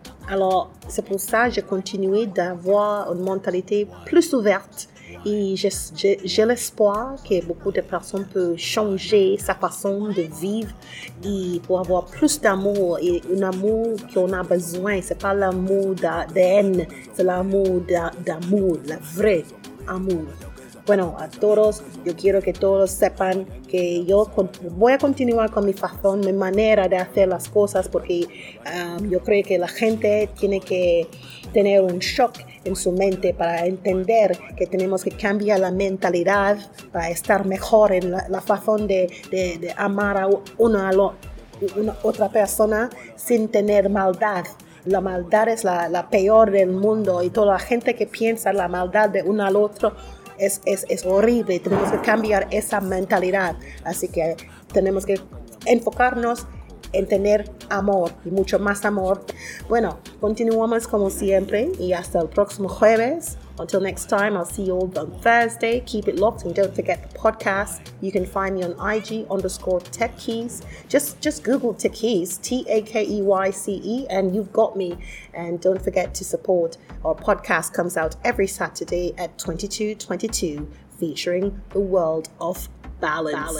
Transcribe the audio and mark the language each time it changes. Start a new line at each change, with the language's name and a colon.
French: Alors, c'est pour ça que j'ai continué d'avoir une mentalité plus ouverte et j'ai l'espoir que beaucoup de personnes peuvent changer sa façon de vivre et pour avoir plus d'amour et un amour qu'on a besoin. C'est pas l'amour de haine, c'est l'amour d'amour, le vrai amour.
Spanish: Bueno, a todos, yo quiero que todos sepan que yo voy a continuar con mi fazón, mi manera de hacer las cosas, porque yo creo que la gente tiene que tener un shock en su mente para entender que tenemos que cambiar la mentalidad para estar mejor en la fazón de amar a una otra persona sin tener maldad. La maldad es la peor del mundo y toda la gente que piensa la maldad de uno al otro es horrible. Tenemos que cambiar esa mentalidad, así que tenemos que enfocarnos en tener amor y mucho más amor. Bueno, continuamos como siempre y hasta el próximo jueves.
English: Until next time, I'll see you all on Thursday. Keep it locked and don't forget the podcast. You can find me on IG_TechKeys. Just Google TechKeys, TakeYce, and you've got me. And don't forget to support. Our podcast comes out every Saturday at 22:22, featuring the world of balance.